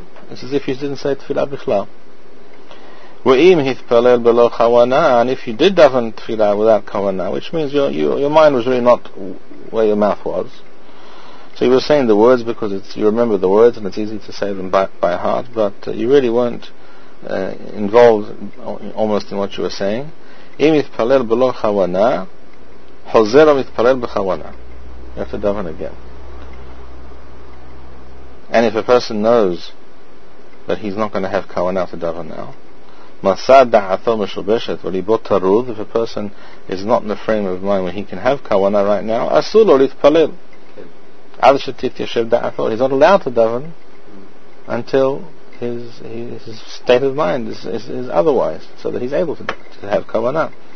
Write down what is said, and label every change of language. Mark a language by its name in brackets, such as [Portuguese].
[English] It's as if you didn't say tefila b'chlal. Ve'im hitpalel b'lo chavana, and if you did daven tefila without kavana, which means your mind was really not where your mouth was. So you were saying the words because you remember the words and it's easy to say them by heart, but you really weren't involved almost in what you were saying. [Hebrew] אם יתפלל בלא חוונה, חוזר ומתפלל בחוונה. [English] You have to daven again. And if a person knows that he's not going to have kavana to daven now, [Hebrew] מסה דעתו משובשת וליבו טרוד, [English] if a person is not in the frame of mind where he can have kavana right now, [Hebrew] אסור לו להתפלל. עד שתתיישב דעתו, [English] he's not allowed to daven until his state of mind is otherwise, so that he's able to have kavana.